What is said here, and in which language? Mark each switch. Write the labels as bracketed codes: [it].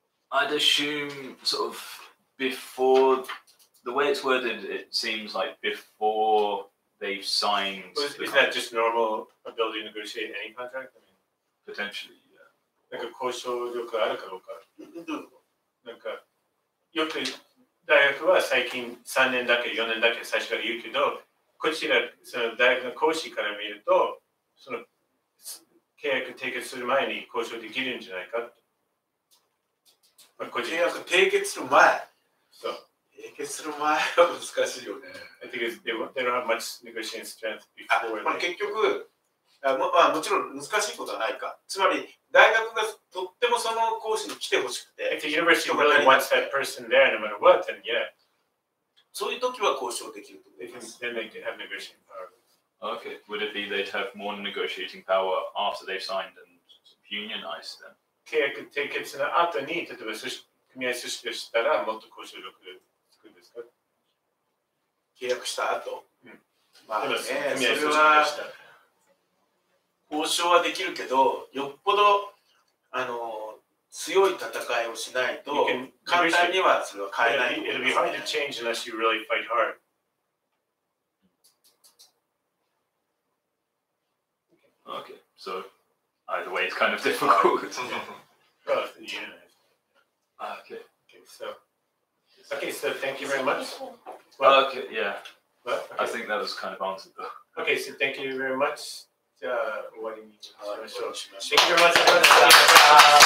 [en] I'd assume sort of before, the way it's worded, it seems like before they've signed. Is that just normal ability to negotiate any contract? I mean, potentially, yeah. [ja] なんか交渉力あるかどうか。なんか、よく、大学は最近3年だけ4年だけ最初から言うけど、こちらその大学の講師から見ると、その契約締結する前に交渉できるんじゃないかと。まあ、契約締結する前。そう。締結する前は難しいよね。 [en] I think they don't have much negotiating strength before. [ja] まあ、結局、もちろん難しいことはないか。つまり、大学がとってもその講師に来てほしくて。 [en] If the university really wants that person there, no matter what, then yeah. [ja] そういう時は交渉できると。 [en] Then they can have negotiating power. Okay. Would it be they'd have more negotiating power after they've signed and unionized then? [ja] 契約締結の後に、例えば組合組織をしたら、もっと交渉力がつくんですか？契約した後。まあね、組合組織でした。交渉はできるけど、よっぽど強い戦いをしないと簡単にはそれは変えない。 [en] It'll be hard to change unless you really fight hard. Okay, so either way, it's kind of difficult. Okay, so thank you very much. Well, okay, yeah. I think that was kind of answered though. Okay, so thank you very much. [ja] じゃあ終わりにしましょう。ありがとうございました。